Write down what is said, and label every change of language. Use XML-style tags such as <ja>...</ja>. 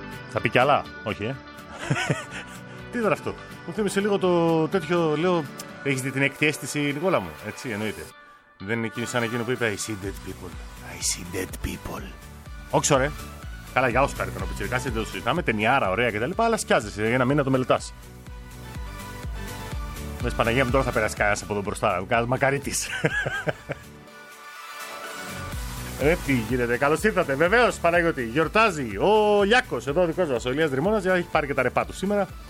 <el>Θα πει κι άλλα, όχι, ε. Τι ήταν αυτό, μου θύμισε λίγο το τέτοιο, λέω, έχεις δει την εκτιέστηση, Νικόλα μου, έτσι, εννοείται. Δεν είναι σαν εκείνο που είπε,</el> <en>I see dead people, I see dead people.</en> <el>Όχι, ρε, καλά, για Όσκαρ ήταν ο πιτσιρικάς, δεν το συζητάμε, ταινιάρα, ωραία κτλ, αλλά σκιάζεσαι, για ένα μήνα το μελετάς. Μες Παναγία μου, τώρα θα περάσει κανένας από εδώ μπροστά, κανένας μακαρίτης. Ρε, τι γίνεται, καλώς ήρθατε. Βεβαίως, Παναγιώτη, γιορτάζει ο Λιάκος, εδώ ο δικός μας, ο Ηλίας Δρυμώνας, έχει πάρει και τα ρεπά του σήμερα.</el>